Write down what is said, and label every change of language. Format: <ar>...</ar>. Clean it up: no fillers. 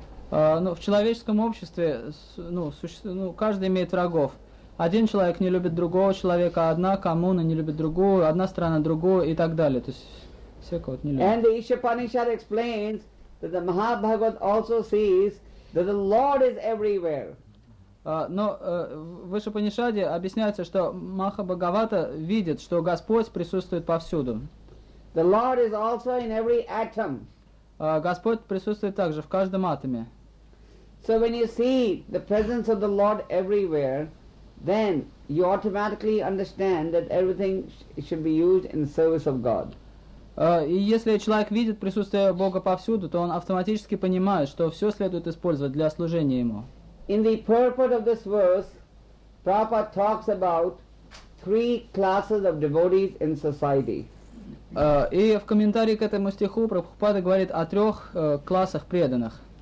<ru>В человеческом обществе, каждый имеет врагов. Один человек не любит другого человека, одна коммуна не любит другую, одна страна другую и так далее. То есть все кого-то не любят.</ru> <en>And the Ishapanishad explains that the Mahabhagavat also sees that the Lord is everywhere.</en> <ru>В Ишупанишаде объясняется, что Махабхагавата видит, что Господь присутствует повсюду.</ru> <en>The Lord is also in every atom.</en> <ru>Господь присутствует также в каждом атоме.</ru> <en>So when you see the presence of the Lord everywhere, then you automatically understand that everything should be used in the service of God.</en> <ru>И если человек видит присутствие Бога повсюду, то он автоматически понимает, что все следует использовать для служения Ему.</ru> <en>In the purport of this verse, Prabhupada talks about three classes of devotees in society.</en> <ru>И в комментарии к этому стиху Прабхупада говорит о трех классах преданных.</ru>